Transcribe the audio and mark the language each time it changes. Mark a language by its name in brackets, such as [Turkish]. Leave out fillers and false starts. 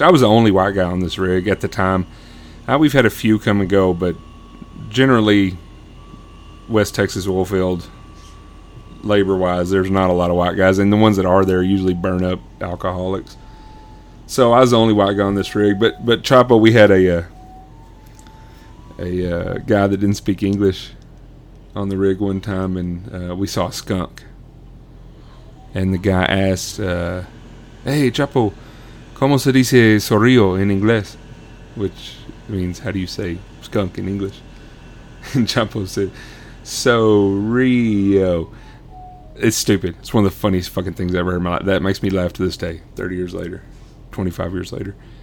[English] I was the only white guy on this rig at the time. We've had a few come and go, but generally, West Texas oilfield, labor-wise, there's not a lot of white guys. And the ones that are there are usually burn-up alcoholics. So I was the only white guy on this rig. But Chapo, we had a guy that didn't speak English on the rig one time, and we saw a skunk. And the guy asked, hey, [Spanish] Chapo, ¿cómo se dice zorrillo en inglés? [English] Which means, how do you say skunk in English? And Chapo said, "Sorio." It's stupid. It's one of the funniest fucking things I've ever heard in my life. That makes me laugh to this day, 30 years later, 25 years later.